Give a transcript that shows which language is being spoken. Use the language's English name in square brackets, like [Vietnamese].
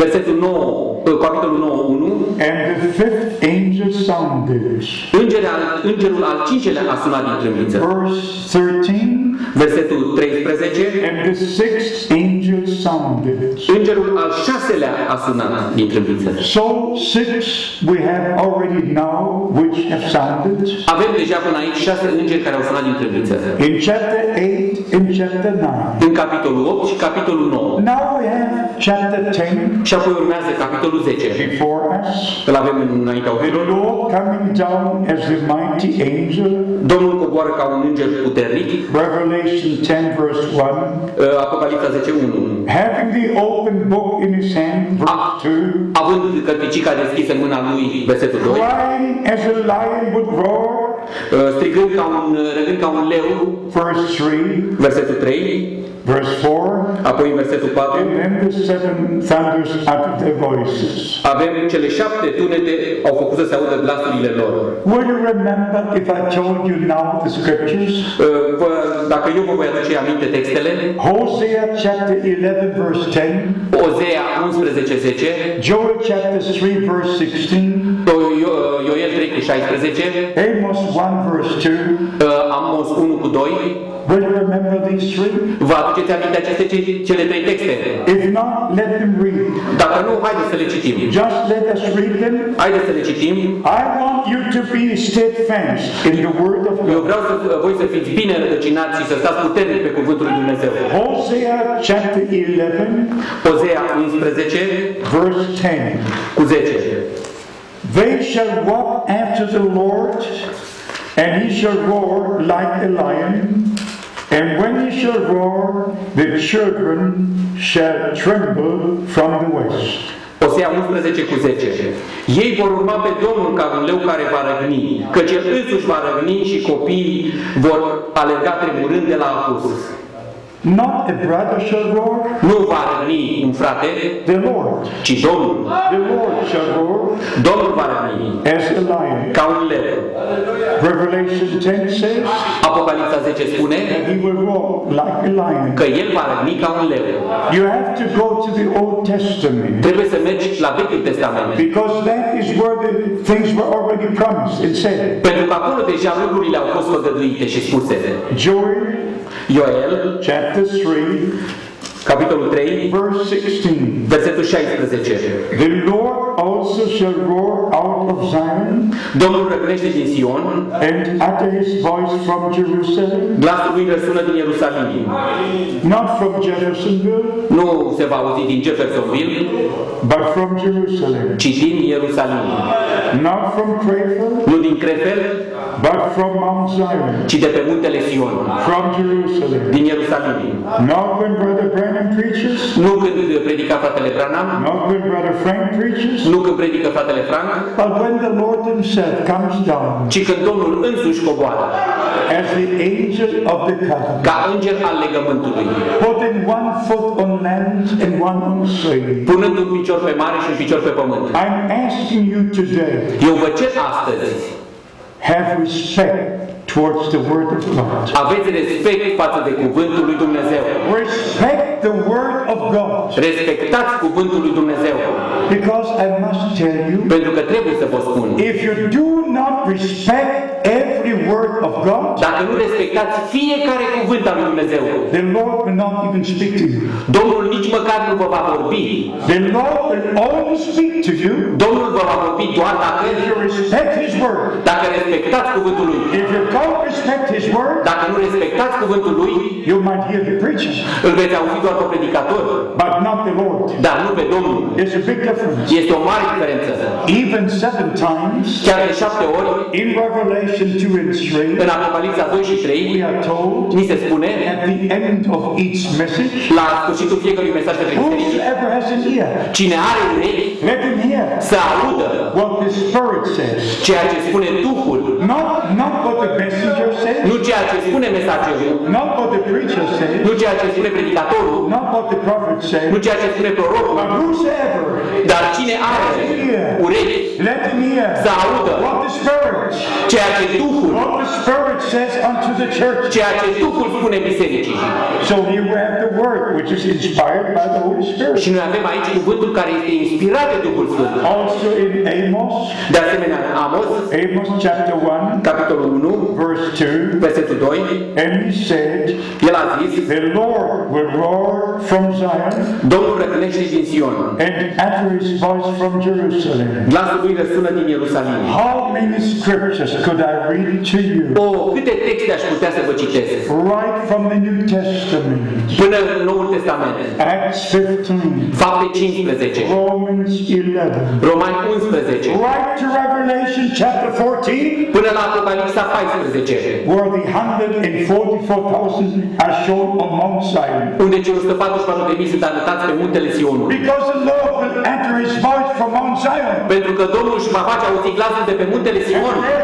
[Romanian] Versetul 9, capitolul 9, 1. [English] And the fifth angel sounded. [Romanian] Îngerul al cincelea a sunat din trâmbiță. [English] Verse 13. [Romanian] Versetul 13. [English] And the sixth angel sounded. [Romanian] Îngerul al șaselea a sunat din trâmbiță. [English] So six we have already now which have sounded. [Romanian] Avem deja până aici șase îngeri care au sunat din trâmbiță. [English] In chapter 8 and chapter 9. [Romanian] În capitolul 8 și capitolul 9. [English] Now we have chapter 10. [Romanian] Și apoi urmează capitolul 10. [English] Before us. [Romanian] Îl avem înaintea ochilor. [English] The Lord coming down as the mighty angel. [Romanian] Domnul coboară ca un înger puternic. [English] Revelation 10 verse 1. [Romanian] Apocalipsa 10, 1. [English] Having the open book in his hand, verse 2. [Romanian] Având cărticica deschisă în mâna lui, versetul 2. [English] Crying as a lion would roar. [Romanian] Strigând ca un râgând ca un leu. [English] Verse 3. [Romanian] Versetul 3. [English] Verse 4. [Romanian] Apoi versetul 4. [English] And then the seven thunders uttered their voices. [Romanian] Avem cele șapte tunete au făcut să se audă glasurile lor. [English] Will you remember if I told you now the scriptures? [Romanian] Dacă eu vă voi aduce aminte textele. [English] Hosea chapter 11 verse 10. [Romanian] Hosea 11:10. [English] Joel chapter 3 verse 16. [Romanian] Ioel 3:16. [English] Amos 1 verse 2. [Romanian] Amos 1:2. [English] Will you remember these three? [Romanian] Vă aduceți aminte aceste cele trei texte? [English] If not, let them read. [Romanian] Dacă nu, haideți să le citim. [English] Just let us read them. [Romanian] Haideți să le citim. [English] I want you to be steadfast in the word of God. [Romanian] Eu vreau să voi să fiți bine rădăcinați și să stați puternic pe cuvântul lui Dumnezeu. [English] Hosea chapter 11. [Romanian] Hosea 11. [English] Verse 10. [Romanian] Cu 10. [English] They shall walk after the Lord. And he shall roar like a lion, and when he shall roar, the children shall tremble from the west. [Romanian] Osea 11:10. Ei vor urma pe Domnul ca un leu care va răgni, căci el însuși va răgni și copiii vor alerga tremurând de la apus. [English] Not a brother shall roar. [Romanian] Nu va răgni un frate. [English] The Lord. [Romanian] Ci Domnul. [English] The Lord shall roar. [Romanian] Domnul va răgni. [English] As a lion. [Romanian] Ca un leu. [English] Revelation 10 says. [Romanian] Apocalipsa 10 spune. [English] He will roar like a lion. [Romanian] Că el va răgni ca un leu. [English] You have to go to the Old Testament. [Romanian] Trebuie să mergi la Vechiul Testament. [English] Because that is where the things were already promised and said. [Romanian] Pentru că acolo deja lucrurile au fost făgăduite și spuse. [English] Joel. [Romanian] Ioel, [English] chapter 3, [Romanian] capitolul 3, [English] verse 16, [Romanian] versetul 16. [English] The Lord also shall roar out of Zion. [Romanian] Domnul răgnește din Sion. [English] And utter his voice from Jerusalem. [Romanian] Glasul lui răsună din Ierusalim. [English] Not from Jeffersonville. [Romanian] Nu se va auzi din Jeffersonville. [English] But from Jerusalem. [Romanian] Ci din Ierusalim. [English] Not from Crefel. [Romanian] Nu din Crefel. [English] But from Mount Zion. [Romanian] Ci de pe muntele Sion. [English] From Jerusalem. [Romanian] Din Ierusalim. [English] Not when Brother Branham preaches. [Romanian] Nu când predica fratele Branham. [English] Not when Brother Frank preaches. [Romanian] Nu când predică fratele Frank. [English] But when the Lord himself comes down. [Romanian] Ci când Domnul însuși coboară. [English] as the angel of the covenant. [Romanian] Ca înger al legământului. [English] Putting one foot on land and one on sea. [Romanian] Punând un picior pe mare și un picior pe pământ. [English] I'm asking you today. [Romanian] Eu vă cer astăzi. [English] Have respect towards the word of God. [Romanian] Aveți respect față de cuvântul lui Dumnezeu. [English] Respect the word of God. [Romanian] Respectați cuvântul lui Dumnezeu. [English] Because I must tell you. [Romanian] Pentru că trebuie să vă spun. [English] If you do not respect every word of God. [Romanian] Dacă nu respectați fiecare cuvânt al lui Dumnezeu. [English] The Lord will not even speak to you. [Romanian] Domnul nici măcar nu vă va vorbi. [English] The Lord will only speak to you. [Romanian] Domnul vă va vorbi doar dacă respectați [English] His word. [Romanian] Dacă respectați cuvântul lui. [English] If you don't respect His word. [Romanian] Dacă nu respectați cuvântul lui. [English] You might hear the preacher. [Romanian] Îl veți auzi doar pe predicator. [English] But not the Lord. [Romanian] Dar nu pe Domnul. [English] It's a big difference. [Romanian] Este o mare diferență. [English] Even seven times. [Romanian] Chiar de șapte ori. [English] In Revelation. [Romanian] În Apocalipsa 2 și 3 ni se spune [English] at the end of each message, [Romanian] la sfârșitul fiecărui mesaj de predicare, cine are urechi să audă [English] what the Spirit says, [Romanian] ceea ce spune Duhul, [English] not what the messenger says, [Romanian] nu ceea ce spune mesagerul, [English] not what the preacher says, [Romanian] nu ceea ce spune predicatorul, [English] not what the prophet says, [Romanian] nu ceea ce spune prorocul, dar cine are urechi să audă [English] what the Spirit, [Romanian] ceea ce Duhul, [English] what the Spirit says unto the church, [Romanian] ceea ce Duhul spune bisericii. [English] So here we have the word which is inspired by the Holy Spirit. [Romanian] Și noi avem aici cuvântul care este inspirat de Duhul Sfânt. [English] Also in Amos. [Romanian] De asemenea, Amos. [English] Amos chapter 1, [Romanian] capitolul 1, [English] verse 2, [Romanian] versetul 2. [English] And he said, [Romanian] el a zis, [English] the Lord will roar from Zion. [Romanian] Domnul răcnește din Sion. [English] And utter his voice from Jerusalem. [Romanian] Glasul lui răsună din Ierusalim. [English] How many scriptures could I read to you? [Romanian] Oh, câte texte aș putea să vă citesc? [English] Right from the New Testament. [Romanian] Până în Noul Testament. [English] Acts 15. [Romanian] Fapte 15. [English] Romans 11. [Romanian] Romani 11. [English] Right to Revelation chapter 14. [Romanian] Până la Apocalipsa 14. [English] Where the 144,000 are shown on Mount Zion. [Romanian] Unde cei 144,000 sunt arătați pe muntele Sionului. [English] Because the Lord will enter His voice from Mount Zion. [Romanian] Pentru că Domnul își va face auzit glasul de pe muntele Sion.